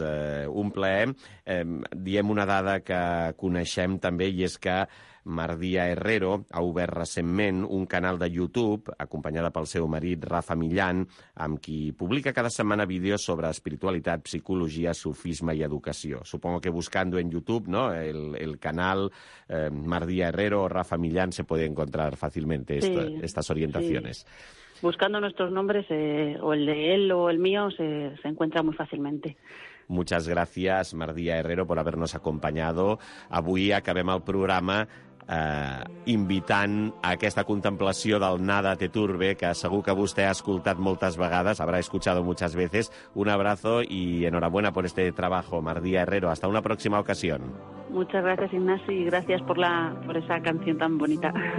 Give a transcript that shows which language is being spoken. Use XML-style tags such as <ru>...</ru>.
<ca>Un plaer. Diem una dada que coneixem també i és que Mardia Herrero ha obert recentment un canal de YouTube acompanyada pel seu marit Rafa Millán, amb qui publica cada setmana vídeos sobre espiritualitat, psicologia, sufisme i educació.</ca> <es>Supongo que buscando en YouTube, ¿no?, el canal Mardia Herrero o Rafa Millán se puede encontrar fácilmente estas orientaciones. Sí. Buscando nuestros nombres, o el de él o el mío, se encuentra muy fácilmente. Muchas gracias, Mardia Herrero, por habernos acompañado.</es> <ca>Avui acabem el programa invitant a aquesta contemplació del Nada te turbe, que segur que vostè ha escoltat moltes vegades,</ca> <es>habrá escuchado muchas veces. Un abrazo y enhorabuena por este trabajo, Mardia Herrero. Hasta una próxima ocasión. Muchas gracias, Ignasi, y gracias por esa canción tan bonita.</es>